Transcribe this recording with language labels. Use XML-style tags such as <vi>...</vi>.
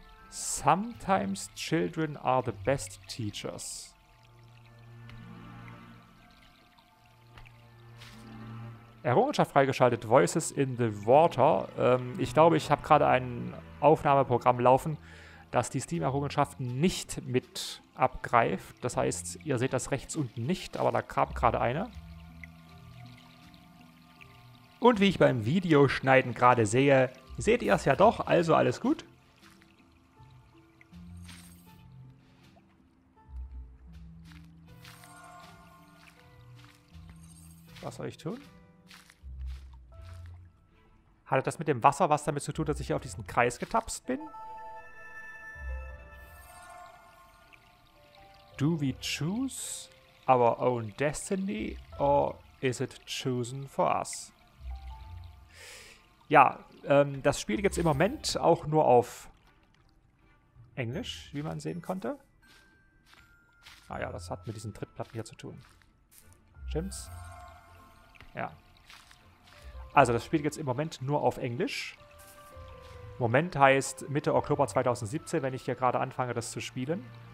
<en>Sometimes children are the best teachers.</en> <de>Errungenschaft freigeschaltet. Voices in the water. Ich glaube, ich habe gerade ein Aufnahmeprogramm laufen, das die Steam-Errungenschaften nicht mit abgreift. Das heißt, ihr seht das rechts unten nicht, aber da kam gerade eine. Und wie ich beim Videoschneiden gerade sehe, seht ihr es ja doch. Also alles gut. Was soll ich tun? Hat das mit dem Wasser was damit zu tun, dass ich hier auf diesen Kreis getapst bin?</de> <en>Do we choose our own destiny or is it chosen for us?</en> <de>Ja, das Spiel gibt es im Moment auch nur auf Englisch, wie man sehen konnte. Ah ja, das hat mit diesen Trittplatten hier zu tun. Stimmt's? Ja. Also, das Spiel geht jetzt im Moment nur auf Englisch. Moment heißt Mitte Oktober 2017, wenn ich hier gerade anfange, das zu spielen.</de>